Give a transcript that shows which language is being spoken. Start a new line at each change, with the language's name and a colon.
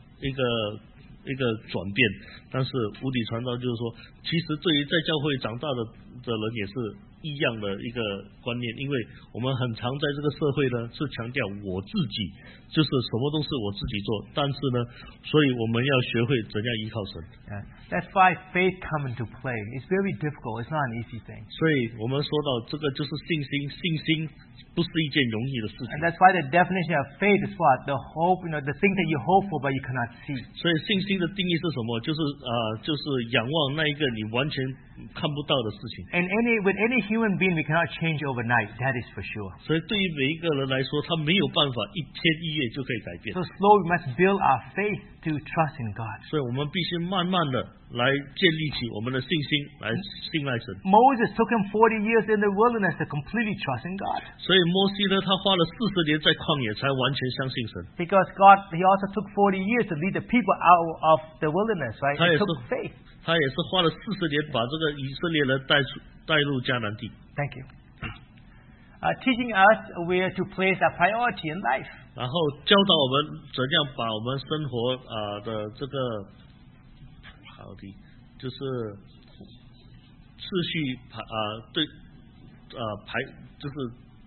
Chinese: 所以，Heather说的是，当一个我们在这个社会的时候，是18岁了，然后家里的人就把你放逐出去，让你自己个人维持自己的生活。但是过了30-40年，自己可以单独来为自己的生活负责任的时候，现在听了这个天道理，说我们要依赖神，这个是非常大的一个转变。但是吴迪传道就是说，其实对于在教会长大的人也是一样的一个观念，因为我们很常在这个社会呢是强调我自己，就是什么都是我自己做。但是呢，所以我们要学会怎样依靠神。
English: That's why faith come into play. It's very difficult. It's not an easy thing.
Chinese: 所以我们说到这个就是信心。
English: And that's why the definition of faith is what? The hope, you know, the thing that you hope for but you cannot see.
Chinese: 所以信心的定义是什么?就是仰望那一个你完全看不到的事情。
English: And with any human being, we cannot change overnight, that is for sure.
Chinese: 所以对于每一个人来说, 他没有办法一天一夜就可以改变。
English: So slowly we must build our faith to trust in God.
Chinese: 所以我们必须慢慢的来建立起我们的信心, 来信赖神。
English: Moses took him 40 years in the wilderness to completely trust in God.
Chinese: 摩西呢，他花了40年在旷野才完全相信神。
English: Because God, He also took 40 years to lead the people out of the wilderness, right? He took faith.
Chinese: 他也是花了40年把这个以色列人带入迦南地。
English: Thank you. Teaching us where to place our priority in life.
Chinese: 然后教导我们怎样把我们生活的这个好的，就是次序排，对，排就是。